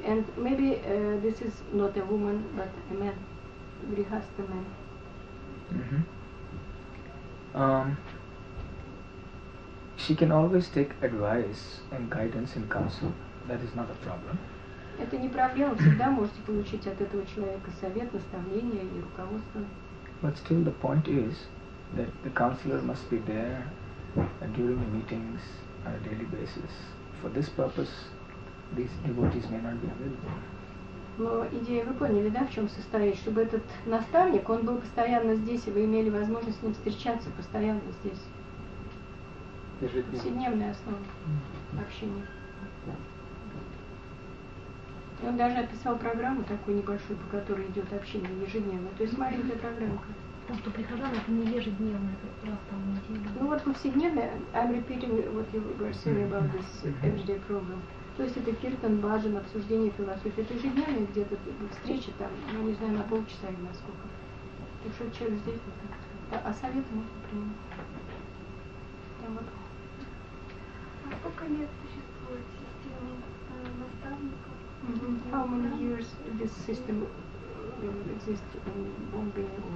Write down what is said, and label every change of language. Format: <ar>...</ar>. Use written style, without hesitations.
<en>and maybe this is not a woman but a man, grihastha man. Mm-hmm. She can always take advice and guidance and counsel. That is not a problem.</en> <ru>Это не проблема, всегда можете получить от этого человека совет, наставление и руководство.</ru> <en>But still the point is that the counselor must be there during the meetings on a daily basis. For this purpose, these devotees may not be available.</en> <ru>Но идея, вы поняли, да, в чем состоит? Чтобы этот наставник, он был постоянно здесь, и вы имели возможность с ним встречаться постоянно здесь. ежедневно. Повседневная основа общения. И он даже описал программу такую небольшую, по которой идет общение ежедневно. То есть маленькая программка. Ну, что прихожан, это не ежедневная, как раз там неделя. Ну вот повседневная,</ru> <en>I'm repeating what you were saying about this everyday program.</en> <ru>То есть это киртан, бхаджан, обсуждение философии. Это ежедневные где-то встречи там, ну не знаю, на полчаса или на сколько. Ты что, человек здесь вот как-то. А советы можно принять. Там вот. А сколько лет существует система наставников?</ru> <en>How many years this system exists in Bombay?</en>